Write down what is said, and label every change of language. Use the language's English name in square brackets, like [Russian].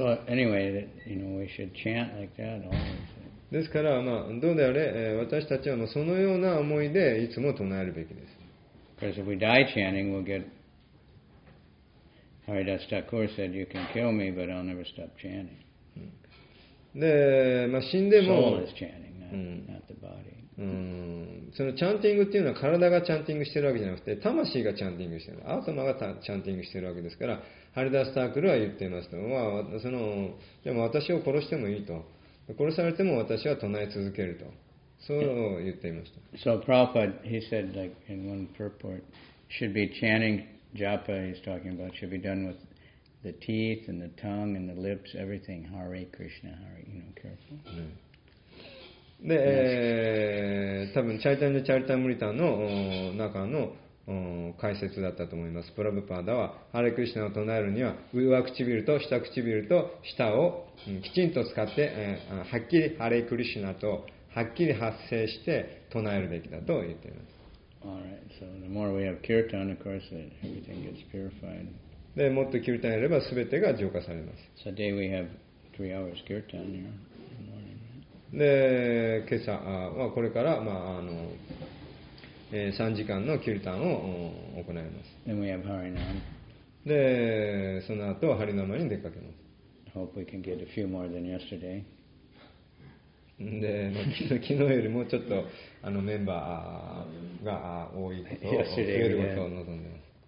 [English] So anyway, that, you know, we should chant like that always. [Japanese] ですから、まあ、どうであれ、私たちはそのような思いでいつも唱えるべきです。 [English] Because if we die chanting, we'll get Haridasa Thakur said, you can kill me, but I'll never stop chanting. [Japanese] で、まあ、死んでも、 [English] soul is chanting, not the body. [Japanese] そのチャンティングっていうのは体がチャンティングしてるわけじゃなくて、魂がチャンティングしてる。アートマがチャンティングしてるわけですから、Haridasa Thakurは言っていますと、まあ、その、でも私を殺してもいいと。殺されても私は唱え続けると、そう言っていました。 [English] So Prabhupada, he said like in one purport, should be chanting japa, he's talking about, should be done with the teeth and the tongue and the lips, everything, Hare Krishna, Hare, you know, careful. [Japanese] で、多分チャイタンジャチャリタムリタの中の解説だったと思います。プラブパーダは、ハレクリシナを唱えるには、上唇と下唇と舌をきちんと使って、はっきりハレクリシナとはっきり発声して唱えるべきだと言っています。 [English] Alright, so the more we have kirtan, of course, everything gets purified. [Japanese] で、もっとキルタンやれば全てが浄化されます。 [English] So today we have 3 hours kirtan here in the morning. [Japanese] で、今朝はこれから、まあ、3時間のキルタンを行います。 [English] Then we have Harinam. [Japanese] で、その後、ハリナマに出かけます。 [English] Hope we can get a few more than yesterday. [Japanese] で、まあ、昨日よりもちょっとあのメンバーが多いことを増えることを望んでます。